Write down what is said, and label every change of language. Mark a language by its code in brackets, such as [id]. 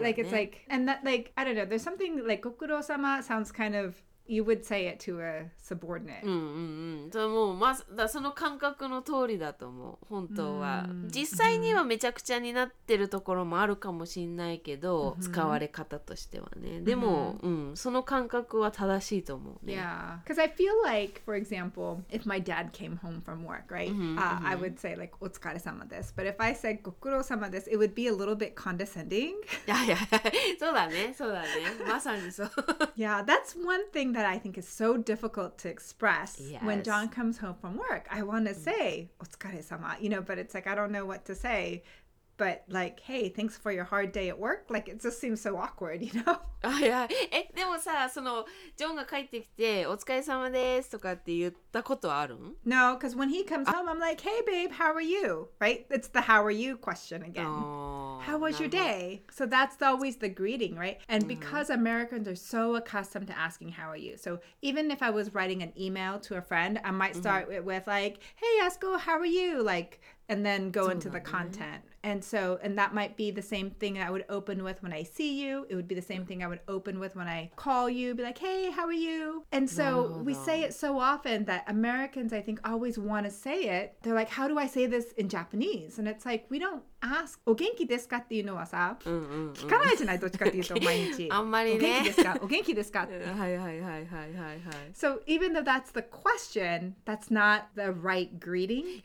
[en] like it's like, and that like, I don't know, there's something like ご苦労様 sounds kind of, you would say it to a subordinate. [ja] うんうんうん。でもまだその感覚の通りだと思う。本当は、mm-hmm. 実際にはめちゃくちゃになってるところもあるかもしれないけど、mm-hmm. 使われ方としてはね。でも、mm-hmm. うん、その感覚は正しいと思うね。 [en] Yeah, because I feel like, for example, if my dad came home from work, right?、Mm-hmm. I would say like, お疲れ様です。 But if I said, ご苦労様です, it would be a little bit condescending. Yeah, yeah, [ja] そうだね、そうだね。まさにそう。 [en] Yeah, that's one thing that I think is so difficult to express、yes. when John comes home from work. I want to say, お疲れ様, you know, but it's like, I don't know what to say. But like, hey, thanks for your hard day at work. Like, it just seems so awkward, you know? Oh, yeah. [ja] え、でもさ、その、ジョンが帰ってきて、お疲れ様ですとかって言ったことあるん? [en] No, because when he comes home, I'm like, hey, babe, how are you? Right? It's the how are you question again. How was your day? So that's always the greeting, right? And because Americans are so accustomed to asking how are you. So even if I was writing an email to a friend, I might start with like, hey, Asko, how are you? Like, and then go into the content. And so, and that might be the same thing I would open with when I see you. It would be the same thing I would open with when I call you, be like, hey, how are you? And so we say it so often that Americans, I think, always want to say it. They're like, how do I say this in Japanese? And it's like, we don't ask, [ja] お元気ですかっていうのはさ、うんうんうん、聞かないじゃない、どっちかっていうと毎日。あんまりね。お元気ですか、お元気ですかって。はいはいはいはいはい。 [en] So even though that's the question, that's not the right greeting.